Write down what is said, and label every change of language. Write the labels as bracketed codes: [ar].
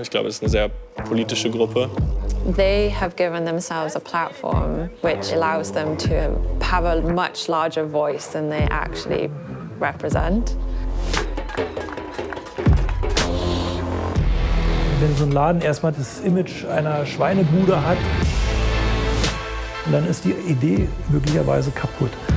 [de] Ich glaube, es ist eine sehr politische Gruppe. [en] They have given themselves a platform, which allows them to have a much larger voice than they actually represent. [de] Wenn so ein Laden erstmal das Image einer Schweinebude hat, dann ist die Idee möglicherweise kaputt.